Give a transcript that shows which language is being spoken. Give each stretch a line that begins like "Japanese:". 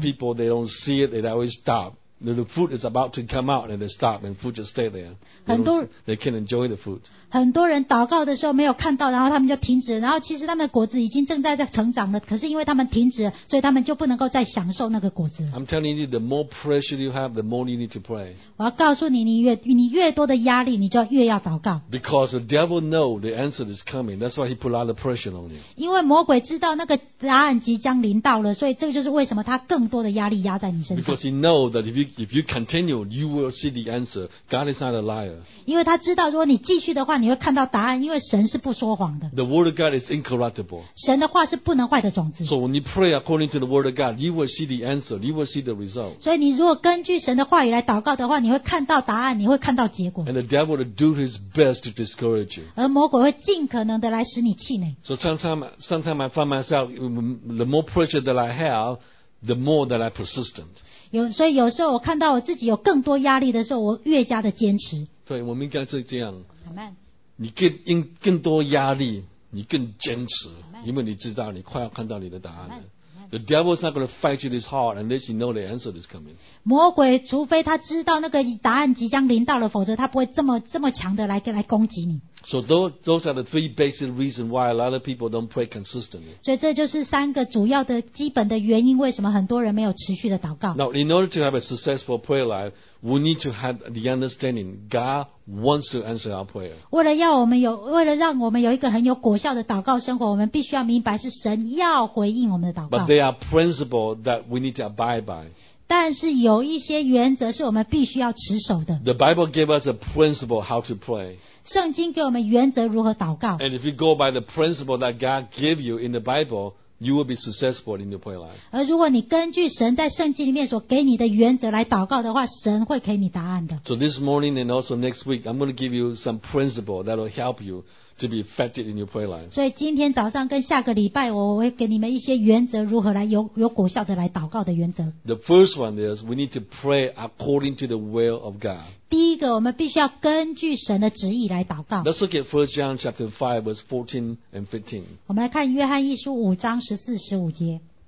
English: A lot of people they don't see it, they always stop. The food is about to come out, and they stop, and food just stay there. They can't enjoy the food.
Chinese: 很多人祷告的时候没有看到，然后他们就停止。然后其实他们的果子已经正在成长了，可是因为他们停止，所以他们就不能够再享受那个果子。
English: I'm telling you, the more pressure you have, the more you need to pray.
Chinese: 我要告诉你，你越多的压力，你就越要祷告。
English: Because the devil knows the answer is coming, that's why he put a lot of pressure on you.
Chinese: 因为魔鬼知道那个答案即将临到了，所以这就是为什么他更多的压力压在你身上。
English: Because he knows that if you continue, you will see the answer. God is not a liar.
Chinese: 因为他知道，如果你继续的话，你会看到答案，因为神是不说谎的。
English: The word of God is incorruptible.
Chinese: 神的话是不能坏的种子。
English: So when you pray according to the word of God, you will see the answer. You will see the result.
Chinese: 所以你如果根据神的话语来祷告的话，你会看到答案，你会看到结果。
English: And the devil will do his best to discourage you.
Chinese: 而魔鬼会尽可能的来使你气馁。
English: So sometimes I find myself, the more pressure that I have, the more that I persistent.
Chinese: 所以有时候我看到我自己有更多压力的时候，我越加的坚持。对，我们应该是这样。
English: Amen.
Chinese: 你 更多压力，你更坚持，因为你知道你快要看到你的答案了。
English: The devil is not going to fight you this hard unless you know the answer is coming.
Chinese: 魔鬼除非他知道那个答案即将临到了，否则他不会这么强的来攻击你。
English: So those are the three basic reasons why a lot of people don't pray consistently.
Chinese: 所以这就是三个主要的基本的原因，为什么很多人没有持续的祷告。
English: Now, in order to have a successful prayer life, we need to have the understanding God wants to answer our prayer.
Chinese: 为了让我们有一个很有果效的祷告生活，我们必须要明白是神要回应我们的祷告。
English: But there are principles that we need to abide by.
Chinese: 但是有一些原则是我们必须要持守的。
English: The Bible gave us a principle how to pray.
Chinese: 圣经给我们原则如何祷告。
English: And if you go by the principle that God gave you in the Bible, you will be successful in your prayer life.
Chinese: 而如果你根据神在圣经里面所给你的原则来祷告的话，神会给你答案的。
English: So this morning and also next week, I'm going to give you some principle that will help you. To be effective in your prayer life.
Chinese: 所以今天早上跟下个礼拜，我会给你们一些原则，如何来有果效的来祷告的原则。
English: The first one is we need to pray according to the will of God.
Chinese: 第一个，我们必须要根据神的旨意来祷告。
English: Let's look at 1 John chapter 5 verse 14 and 15.
Chinese: 我们来看约翰一书五章十四十五节。